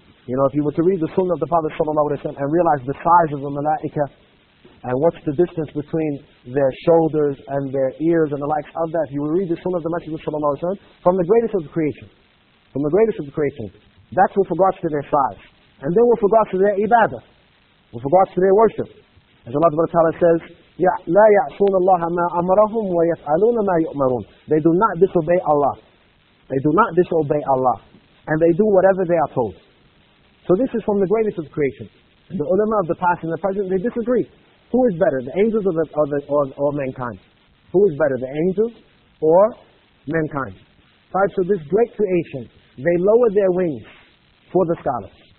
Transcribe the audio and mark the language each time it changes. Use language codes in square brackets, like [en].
[en] You know, if you were to read the Sunnah of the Prophet sallallahu alaihi wasallam and realize the size of the Malaika and what's the distance between their shoulders and their ears and the likes of that, if you would read the Sunnah of the Messenger sallallahu alaihi wasallam, from the greatest of the creation, from the greatest of the creation, that's with regards to their size. And then with regards to their ibadah, with regards to their worship. As Allah Ta'ala says, [ar] لا يعصون الله ما أمرهم ويفعلون ما يؤمرون. [en] They do not disobey Allah. They do not disobey Allah. And they do whatever they are told. So this is from the greatest of creation. The ulama of the past and the present, they disagree. Who is better, the angels or mankind? Who is better, the angels or mankind? Right, so this great creation, they lower their wings for the scholars.